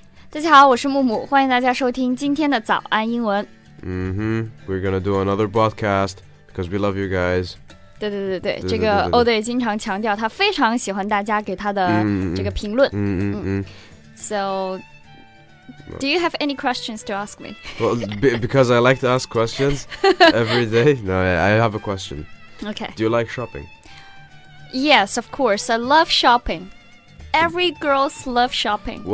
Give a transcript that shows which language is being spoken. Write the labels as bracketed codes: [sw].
[zh] 大家好，我是木木，欢迎大家收听今天的早安英文。 [en] We're gonna do another broadcast because we love you guys. [zh] 对对对对，这个 O'Day 经常强调，他非常喜欢大家给他的这个评论。 [en] So, do you have any questions to ask me? Well, because I like to ask questions every day. No, I have a question. Okay. Do you like shopping? Yes, of course. I love shopping. Every girl's love shopping.